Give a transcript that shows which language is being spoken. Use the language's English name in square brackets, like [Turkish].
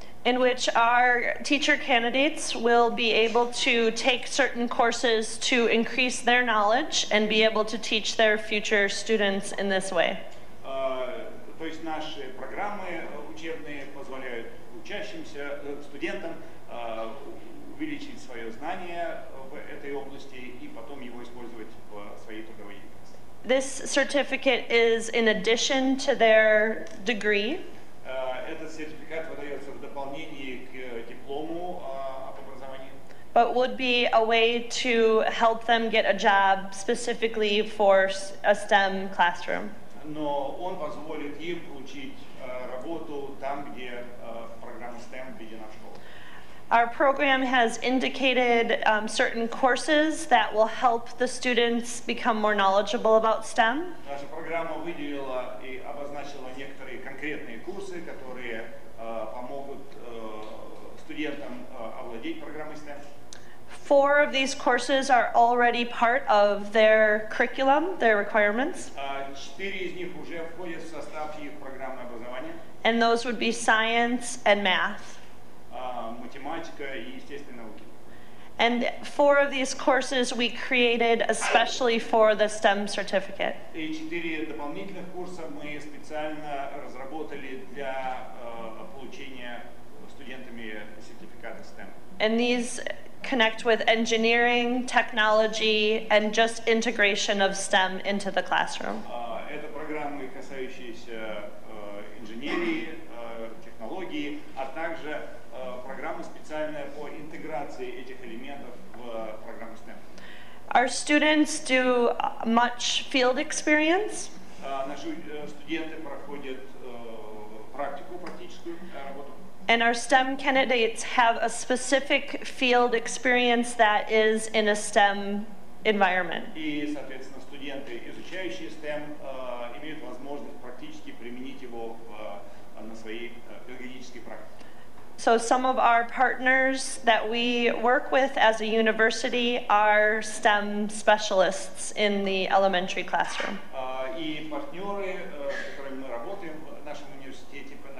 [English] In which our teacher candidates will be able to take certain courses to increase their knowledge and be able to teach their future students in this way. [Russian] То есть наши программы учебные позволяют учащимся студентам увеличить свое знание в этой области и потом его использовать в своей трудовой деятельности. [English] This certificate is in addition to their degree. [Russian] Этот сертификат выдается в дополнение к диплому об образовании. [English] But would be a way to help them get a job specifically for a STEM classroom. [Russian] Но он позволит им получить работу там, где программа STEM введена в школу. [English] Our program has indicated certain courses that will help the students become more knowledgeable about STEM. [Russian] Наша программа выделила и обозначила некоторые конкретные курсы, которые помогут студентам овладеть программой STEM. [English] Four of these courses are already part of their curriculum, their requirements. [Russian] Четыре из них уже входят в состав их программы образования. [English] And those would be science and math. [Russian] Математика и естественные науки. [English] And four of these courses we created especially for the STEM certificate. [Russian] И четыре дополнительных курса мы специально разработали для получения студентами сертификата STEM. [English] And these connect with engineering, technology, and just integration of STEM into the classroom. [Russian] Это программы, касающиеся инженерии, технологии, а также программы специальные по интеграции этих элементов в программу STEM. [English] Our students do much field experience. [Russian] Наши студенты проходят практику, практическую работу. [English] And our STEM candidates have a specific field experience that is in a STEM environment. [Russian] И, соответственно, студенты, изучающие STEM, имеют возможность практически применить его на своей педагогической практике. [English] So some of our partners that we work with as a university are STEM specialists in the elementary classroom. [Russian] И партнеры, с которыми мы работаем в нашем университете,